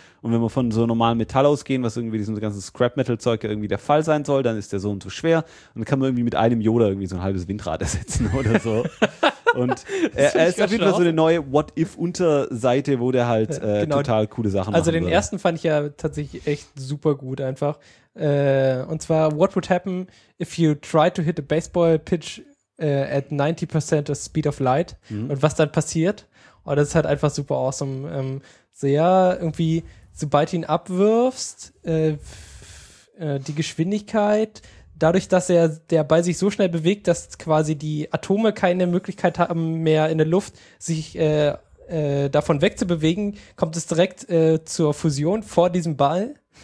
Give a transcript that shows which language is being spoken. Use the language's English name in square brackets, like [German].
[German] Und wenn wir von so normalem Metall ausgehen, was irgendwie diesem ganzen Scrap-Metal-Zeug irgendwie der Fall sein soll, dann ist der so und so schwer. Und dann kann man irgendwie mit einem Yoda irgendwie so ein halbes Windrad ersetzen oder so. Und er ist auf jeden Fall so eine neue What-If-Unterseite, wo der halt genau. Total coole Sachen also machen Also den ersten fand ich ja tatsächlich echt super gut einfach. Und zwar, [English] what would happen if you try to hit a baseball pitch at 90% of speed of light [German] und was dann passiert. Und das ist halt einfach super awesome. So ja, irgendwie, sobald du ihn abwirfst, die Geschwindigkeit, dadurch, dass er der Ball sich so schnell bewegt, dass quasi die Atome keine Möglichkeit haben mehr in der Luft, sich davon wegzubewegen, kommt es direkt zur Fusion vor diesem Ball.